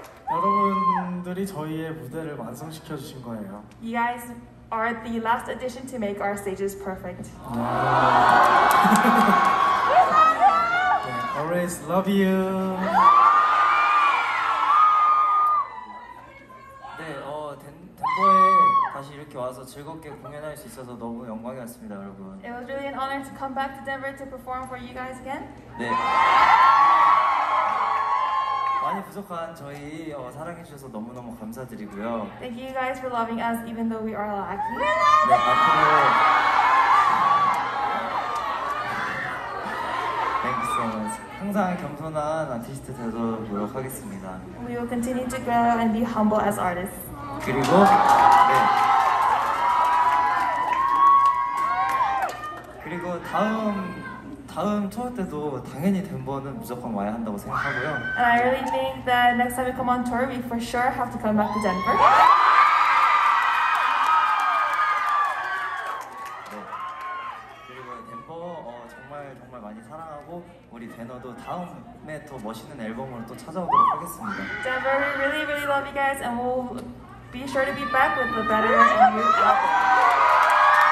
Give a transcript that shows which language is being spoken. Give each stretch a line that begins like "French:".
Korean: 여러분들이 저희의 무대를 완성시켜 주신 거예요.
English: You guys are the last addition to make our stages perfect. We love you. Yeah, always love you.
Korean: 네, 덴버에 다시 이렇게 와서 즐겁게 공연할 수 있어서 너무 영광이었습니다, 여러분.
English: It was really an honor to come back to Denver to perform for you guys again.
Korean: 네. 많이 부족한 저희 사랑해 주셔서 너무 너무 감사드리고요.
English: Thank you guys for loving us even though we are lacking. We love you.
Korean: 네,
English: Thank you so much.
Korean: 항상 겸손한 아티스트 되도록 노력하겠습니다.
English: We will continue to grow and be humble as artists.
Korean: 그리고 그리고 다음 투어 때도 당연히 덴버는 무조건 와야 한다고 생각하고요.
English: And I really think that next time we come on tour, we for sure have to come back to Denver.
Korean: 네. 그리고 덴버 정말 정말 많이 사랑하고 우리 베너도 다음에 더 멋있는 앨범으로 또 찾아오도록 하겠습니다.
English: Denver, we really really love you guys, and we'll be sure to be back with the better and new album.